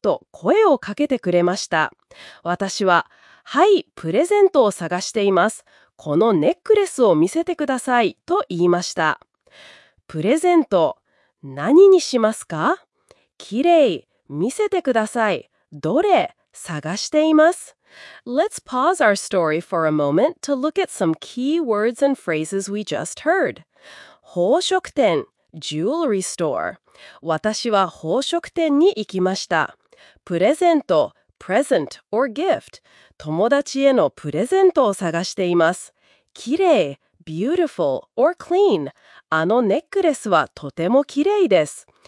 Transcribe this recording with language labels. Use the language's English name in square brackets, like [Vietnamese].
[Japanese] と声をかけてくれました。私は「はい、プレゼントを探しています。このネックレスを見せてください。と言いました。プレゼント、何にしますか？きれい、見せてください。どれ、探しています。 [English] Let's pause our story for a moment to look at some key words and phrases we just heard. 宝飾店、jewelry store。 [Japanese] 私は宝飾店に行きました。 [English] プレゼント、present or gift。 [Japanese] 友達へのプレゼントを探しています。 [English] きれい、beautiful or clean。 [Japanese] あのネックレスはとてもきれいです。